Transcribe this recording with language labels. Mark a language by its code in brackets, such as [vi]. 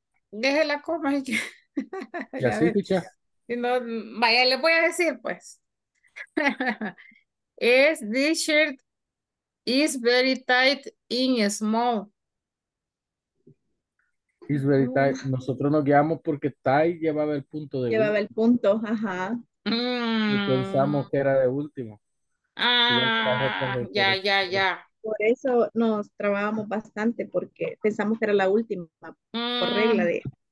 [es] Deje la coma y que... ¿Y así, ticha? Si no, vaya, le voy a decir, pues. [en] Es this shirt is very tight in small. Is very tight. [es] Nosotros nos guiamos porque tight llevaba el punto de llevaba el punto, ajá. Y pensamos que era de último. Ah, ya, ya, ya. Por eso nos trabábamos bastante porque pensamos que era la última, por regla de.